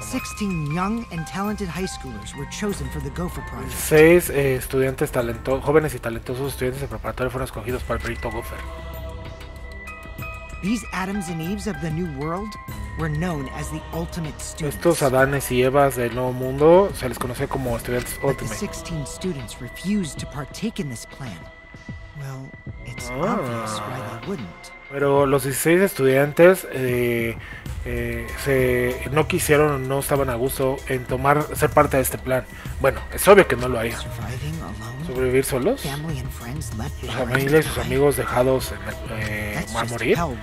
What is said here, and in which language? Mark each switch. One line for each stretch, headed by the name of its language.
English: 16 young and talented high schoolers were chosen for the Gopher Project.
Spanish: 6 estudiantes jóvenes y talentosos estudiantes de preparatoria fueron escogidos para el proyecto Gopher.
English: These Adams and Eves of the New World were known as the ultimate students.
Spanish: Estos Adanes y Evas del Nuevo Mundo se les conocía como estudiantes ultimate.
English: The 16 students refused to partake in this plan. Well, it's obvious why they wouldn't.
Spanish: Pero los 16 estudiantes no estaban a gusto en ser parte de este plan. Bueno, es obvio que no lo harían. ¿Sobrevivir solos? ¿Sus familias y sus amigos dejados a morir?